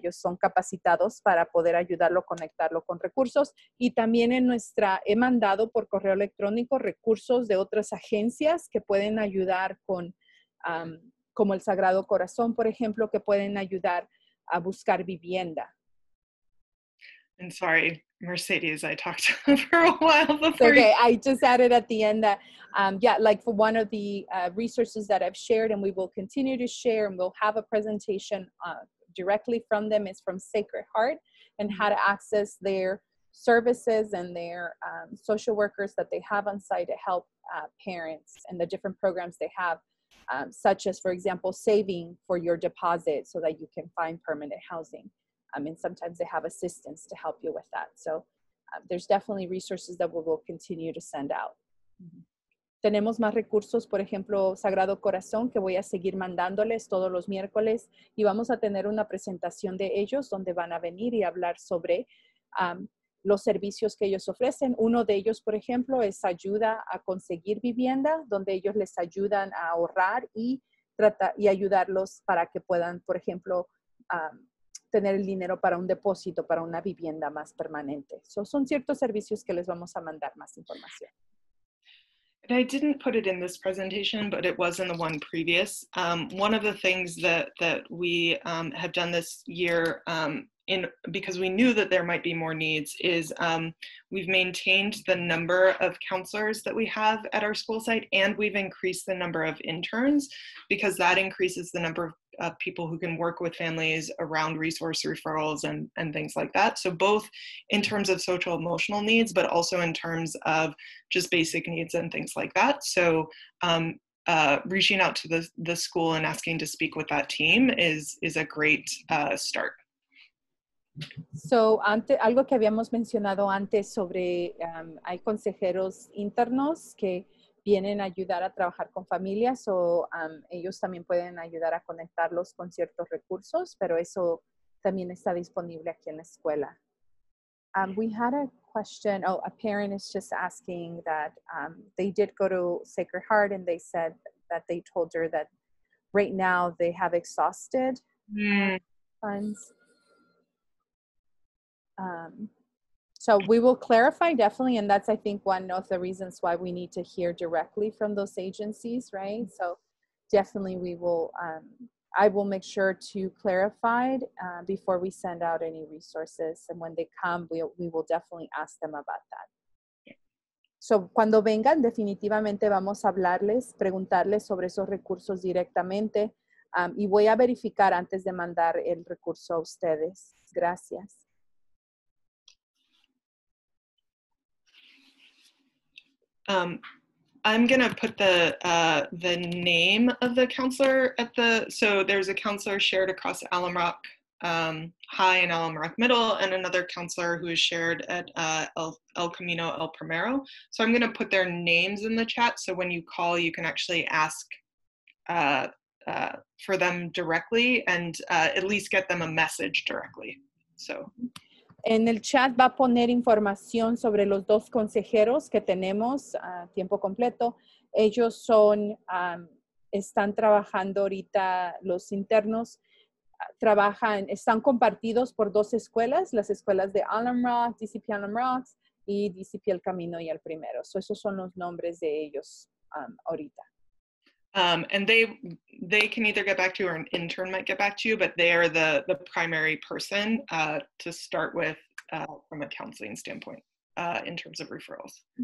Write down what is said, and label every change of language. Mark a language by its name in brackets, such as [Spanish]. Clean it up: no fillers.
[Spanish] Ellos son capacitados para poder ayudarlo, conectarlo con recursos. Y también he mandado por correo electrónico recursos de otras agencias que pueden ayudar con, como el Sagrado Corazón, por ejemplo, que pueden ayudar a buscar vivienda. [English] I'm sorry, Mercedes, I talked for a while before. Okay, I just added at the end that, yeah, like for one of the resources that I've shared, and we will continue to share, and we'll have a presentation directly from them, is from Sacred Heart, and how to access their services and their social workers that they have on site to help parents and the different programs they have, such as, for example, saving for your deposit so that you can find permanent housing. I mean, sometimes they have assistance to help you with that. So there's definitely resources that we will continue to send out. [Spanish] Tenemos más recursos, por ejemplo, Sagrado Corazón, que voy a seguir mandándoles todos los miércoles. Y vamos a tener una presentación de ellos donde van a venir y hablar sobre los servicios que ellos ofrecen. Uno de ellos, por ejemplo, es ayuda a conseguir vivienda, donde ellos les ayudan a ahorrar y ayudarlos para que puedan, por ejemplo, tener el dinero para un depósito, para una vivienda más permanente. So, son ciertos servicios que les vamos a mandar más información. [English] And I didn't put it in this presentation, but it was in the one previous. One of the things that we have done this year, because we knew that there might be more needs, is we've maintained the number of counselors that we have at our school site, and we've increased the number of interns, because that increases the number of people who can work with families around resource referrals and things like that. So both in terms of social emotional needs, but also in terms of just basic needs and things like that. So reaching out to the school and asking to speak with that team is a great start. [Spanish] So algo que habíamos mencionado antes sobre hay consejeros internos que vienen a ayudar a trabajar con familias, o ellos también pueden ayudar a conectarlos con ciertos recursos, pero eso también está disponible aquí en la escuela. [English] We had a question, a parent is just asking that they did go to Sacred Heart and they said that they told her that right now they have exhausted funds. So we will clarify, definitely, and that's, I think, one of the reasons why we need to hear directly from those agencies, right? So definitely we will, I will make sure to clarify before we send out any resources. And when they come, we will definitely ask them about that. [Spanish] So cuando vengan, definitivamente vamos a hablarles, preguntarles sobre esos recursos directamente. Y voy a verificar antes de mandar el recurso a ustedes. Gracias. [English] I'm going to put the name of the counselor at the, so there's a counselor shared across Alum Rock High and Alum Rock Middle, and another counselor who is shared at El Camino El Primero. So I'm going to put their names in the chat, so when you call, you can actually ask for them directly and at least get them a message directly. So. [Spanish] En el chat va a poner información sobre los dos consejeros que tenemos a tiempo completo. Ellos son, están trabajando ahorita, los internos trabajan, están compartidos por dos escuelas, las escuelas de Alum Rock, DCP Alum Rock y DCP El Camino y El Primero. So esos son los nombres de ellos ahorita. [English] And they can either get back to you or an intern might get back to you, but they are the primary person to start with from a counseling standpoint in terms of referrals.